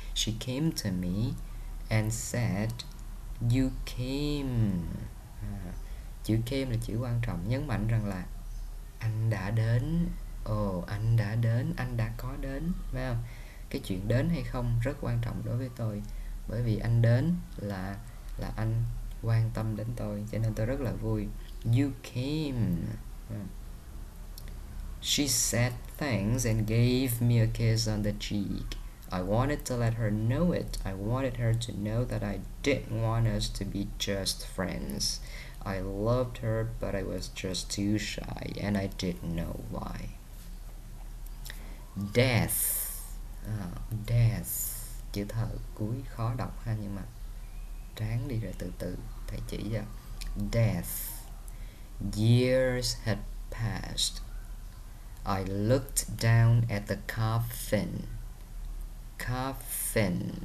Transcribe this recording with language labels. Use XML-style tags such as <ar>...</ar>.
<en>She came to me and said, you came.</en> <vi>Chữ came là chữ quan trọng, nhấn mạnh rằng là anh đã đến. Anh đã đến, anh đã có đến, phải không? Cái chuyện đến hay không rất quan trọng đối với tôi, bởi vì anh đến là anh quan tâm đến tôi, cho nên tôi rất là vui.</vi> <en>You came. She said thanks and gave me a kiss on the cheek. I wanted to let her know it. I wanted her to know that I didn't want us to be just friends. I loved her, but I was just too shy, and I didn't know why. Death. Death.</en> <vi>Chữ thở cuối khó đọc ha, nhưng mà ráng đi rồi từ từ, thầy chỉ cho.</vi> <en>Death. Years had passed. I looked down at the coffin. Coffin.</en>